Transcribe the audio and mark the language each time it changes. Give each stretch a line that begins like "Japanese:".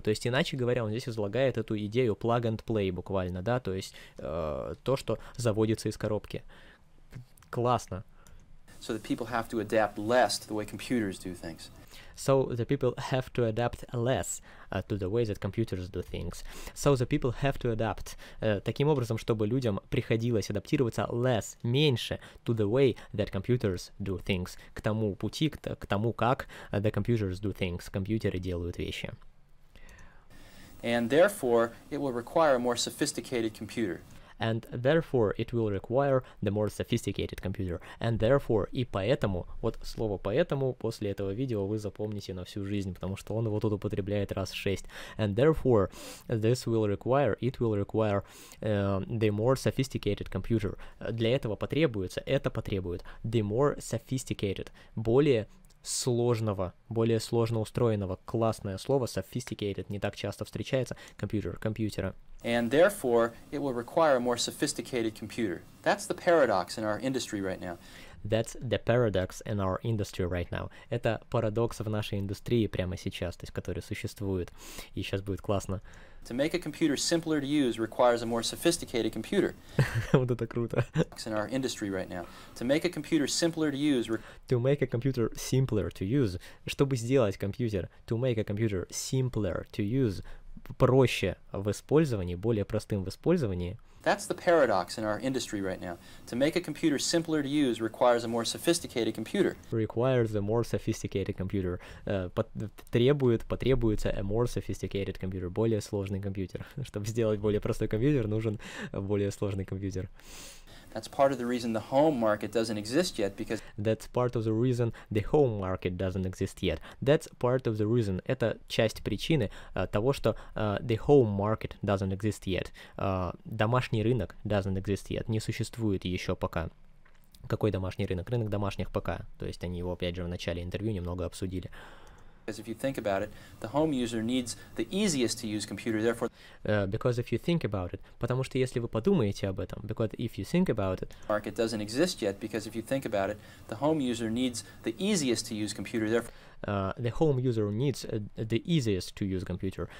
Russian: То есть, иначе говоря, он здесь излагает эту идею plug and play буквально, да, то есть то, что заводится из коробки. Классно.
English: so that people have to adapt less to the way computers do things. So the people have to adapt less to the way that computers do things. So the people have to adapt.
Russian: Таким образом, чтобы людям приходилось адаптироваться
English: less,
Russian: меньше,
English: to the way that computers do things.
Russian: К тому пути, к тому, как
English: the computers do things.
Russian: Компьютеры делают вещи.
English: And therefore, it will require a more sophisticated computer. And therefore, it will require the more sophisticated computer. And therefore,
Russian: и поэтому, вот слово «поэтому» после этого видео вы запомните на всю жизнь, потому что он его тут употребляет раз шесть.
English: And therefore, this will require, it will require the more sophisticated computer.
Russian: Для этого потребуется, это потребует,
English: the more sophisticated,
Russian: более сложного, более сложно устроенного. Классное слово, sophisticated, не так часто встречается.
English: Computer,
Russian: компьютера.
English: And therefore, it will require a more sophisticated computer. That's the paradox in our industry right now. That's the paradox in our industry right now.
Russian: Это парадокс в нашей индустрии прямо сейчас, то есть который существует. И сейчас будет классно.
English: To make a computer simpler to use requires a more sophisticated computer.
Russian: Вот это круто.
English: In our industry right now. To make a computer simpler to use. To make a computer simpler to use.
Russian: Чтобы сделать компьютер.
English: To make a computer simpler to use.
Russian: Проще в использовании, более простым в использовании.
English: That's the paradox in our industry right now. To make a computer simpler to use requires a more sophisticated computer. Requires a more sophisticated computer.
Russian: Потребуется
English: a more sophisticated computer.
Russian: Более сложный компьютер. Чтобы сделать более простой компьютер, нужен более сложный компьютер.
English: That's part of the reason the home market doesn't exist yet because That's part of the reason the home market doesn't exist yet. That's part of the reason.
Russian: Это часть причины того, что
English: the home market doesn't exist yet.
Russian: Домашний рынок
English: doesn't exist yet.
Russian: Не существует еще пока. Какой домашний рынок? Рынок домашних пока. То есть они его опять же в начале интервью немного обсудили.
English: Because if you think about it, the home user needs the easiest to use computer, therefore... Because if you think about it,
Russian: потому что если вы подумаете об этом,
English: because if you think about it... ...market doesn't exist yet, because if you think about it, the home user needs the easiest to use computer, therefore... The home user needs the easiest to use computer.